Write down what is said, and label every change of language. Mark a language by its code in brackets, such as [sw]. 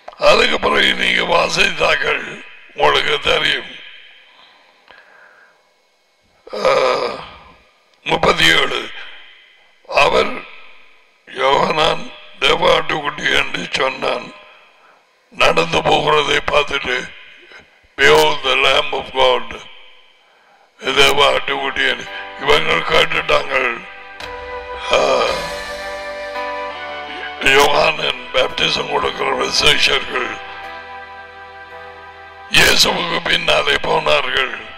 [ta] அதுக்கு பிறகு நீங்க வாசித்தாக்கள் உங்களுக்கு தெரியும். 37 அவர் யோகனான் தேவாட்டுக்குட்டி என்று சொன்னான். நடந்து போகிறதை பார்த்துட்டு [en] Behold the Lamb of God. [ta] தேவாட்டுக்குட்டி இவங்கள் கேட்டுட்டாங்க யோகானன் பேப்டிசம் கொடுக்கிற விசேஷர்கள் இயேசுவுக்கு பின்னாலே போனார்கள்.